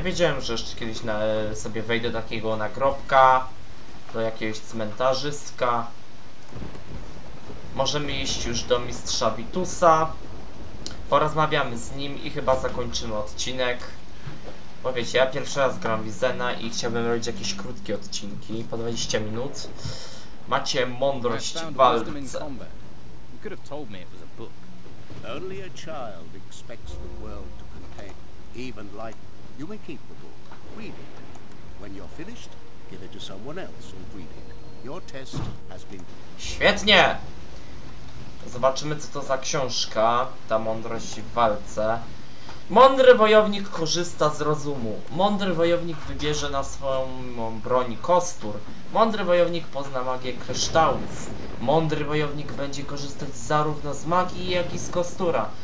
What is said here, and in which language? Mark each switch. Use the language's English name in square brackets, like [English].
[Polish] Wiedziałem, że jeszcze kiedyś sobie wejdę do takiego nagrobka, do jakiegoś cmentarzyska. Możemy iść już do mistrza Vitusa. Porozmawiamy z nim i chyba zakończymy odcinek. Bo wiecie, ja pierwszy raz gram Vizena i chciałbym robić jakieś krótkie odcinki, po 20 minut. Macie mądrość w walce. [English] You could have told me it was a book. Only a child expects the world to contain even light. You may keep the book. Read it. When you're finished, give it to someone else and read it. Your test has been... [Polish] Świetnie! Zobaczymy, co to za książka, ta mądrość w walce. Mądry wojownik korzysta z rozumu. Mądry wojownik wybierze na swoją broń kostur. Mądry wojownik pozna magię kryształów. Mądry wojownik będzie korzystać zarówno z magii, jak i z kostura.